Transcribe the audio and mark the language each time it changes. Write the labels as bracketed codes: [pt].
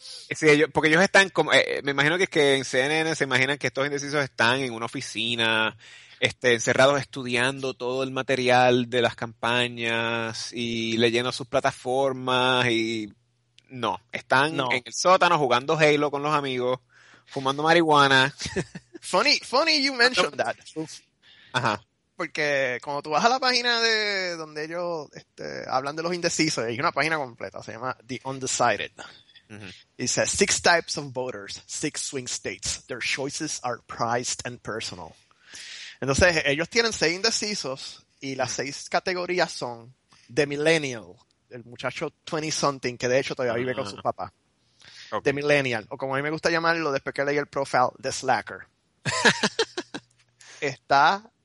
[es] Sí, porque ellos están como, me imagino que es que en CNN se imaginan que estos indecisos están en una oficina, encerrados estudiando todo el material de las campañas y leyendo sus plataformas y no, están en el sótano jugando Halo con los amigos, fumando marihuana. [en] Funny you mentioned that. Ajá. [es] Porque cuando tú vas a la página de donde ellos hablan de los indecisos, hay una página completa, se llama The Undecided. Uh-huh. [en] It says, 6 types of voters, 6 swing states, their choices are prized and personal. [es] Entonces, ellos tienen 6 indecisos y las 6 categorías son The Millennial, el muchacho 20-something que de hecho todavía vive con su papá. Okay. The Millennial, o como a mí me gusta llamarlo después que leí el profile, The Slacker. Está...